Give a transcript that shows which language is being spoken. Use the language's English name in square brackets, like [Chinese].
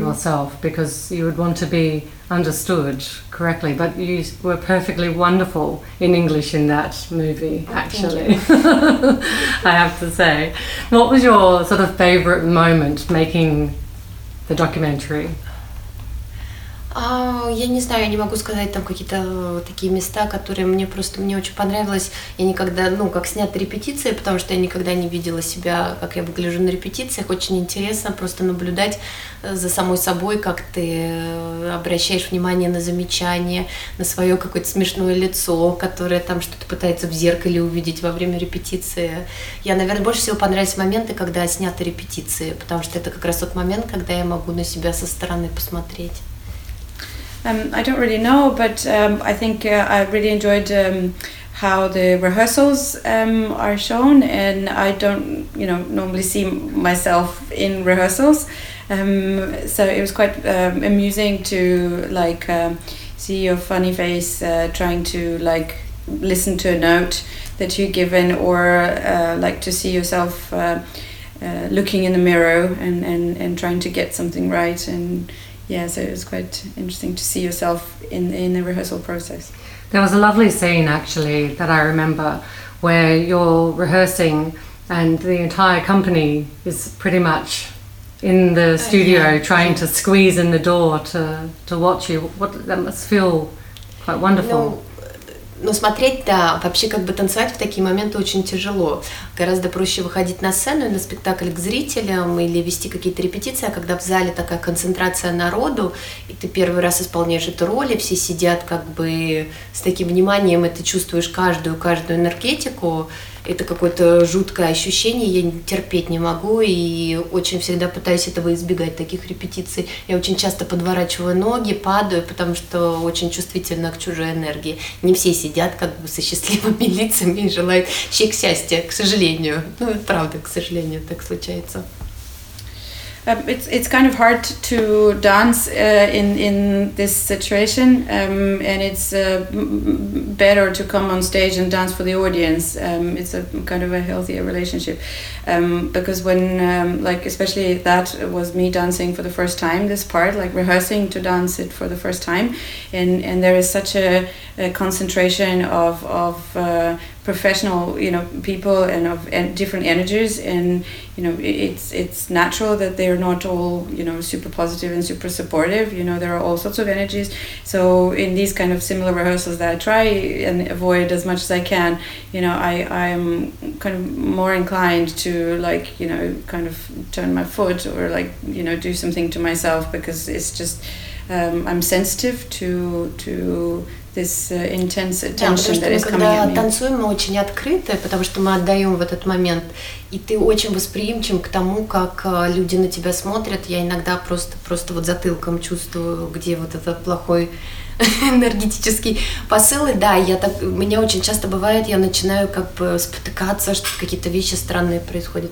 [English] yourself, because you would want to be understood correctly. But you were perfectly wonderful in English in that movie, actually. I have to say, what was your sort of favorite moment making the documentary? [Russian] Я не знаю, я не могу сказать там какие-то такие места, которые мне просто мне очень понравилось. Я никогда, ну, как снята репетиция, потому что я никогда не видела себя, как я выгляжу на репетициях. Очень интересно просто наблюдать за самой собой, как ты обращаешь внимание на замечания, на свое какое-то смешное лицо, которое там что-то пытается в зеркале увидеть во время репетиции. Я, наверное, больше всего понравились моменты, когда сняты репетиции, потому что это как раз тот момент, когда я могу на себя со стороны посмотреть. [English] I don't really know, but I think I really enjoyed how the rehearsals are shown, and I don't, you know, normally see myself in rehearsals, so it was quite amusing to, like, see your funny face trying to, like, listen to a note that you're given, or, like, to see yourself looking in the mirror and trying to get something right, and... Yeah, so it was quite interesting to see yourself in the rehearsal process. There was a lovely scene, actually, that I remember, where you're rehearsing and the entire company is pretty much in the studio trying to squeeze in the door to watch you. What, that must feel quite wonderful. [Russian] Ну, смотреть, да, вообще как бы танцевать в такие моменты очень тяжело. Гораздо проще выходить на сцену и на спектакль к зрителям или вести какие-то репетиции, а когда в зале такая концентрация народу, и ты первый раз исполняешь эту роль, и все сидят как бы с таким вниманием, и ты чувствуешь каждую энергетику, это какое-то жуткое ощущение, я терпеть не могу, и очень всегда пытаюсь этого избегать, таких репетиций. Я очень часто подворачиваю ноги, падаю, потому что очень чувствительна к чужой энергии. Не все сидят как бы со счастливыми лицами и желают счастья, к сожалению. Ну, это правда, к сожалению, так случается. [English] It's kind of hard to dance in this situation, and it's better to come on stage and dance for the audience. It's a kind of a healthier relationship, because when like especially that was me dancing for the first time, this part, like rehearsing to dance it for the first time, and there is such a concentration of professional, you know, people and of and different energies, and you know, it's natural that they're not all, you know, super positive and super supportive. You know, there are all sorts of energies. So in these kind of similar rehearsals that I try and avoid as much as I can, you know, I'm kind of more inclined to, like, you know, kind of turn my foot or, like, you know, do something to myself, because it's just I'm sensitive to this intense attention, [Russian] да, [English] that is coming at me. [Russian] Когда танцуем, мы очень открыты, потому что мы отдаем в этот момент, и ты очень восприимчив к тому, как люди на тебя смотрят. Я иногда просто вот затылком чувствую, где вот этот плохой энергетический посыл. И да, я так, у меня очень часто бывает, я начинаю как бы спотыкаться, что какие-то вещи странные происходят.